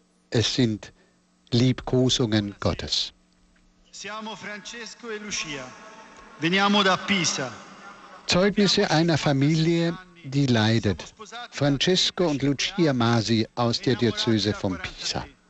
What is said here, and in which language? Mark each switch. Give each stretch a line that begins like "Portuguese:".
German: Es sind Liebkosungen Gottes.
Italian: Siamo Francesco e Lucia. Veniamo da Pisa.
German: Zeugnisse einer Familie, die leidet. Francesco und Lucia Masi aus der Diözese von Pisa.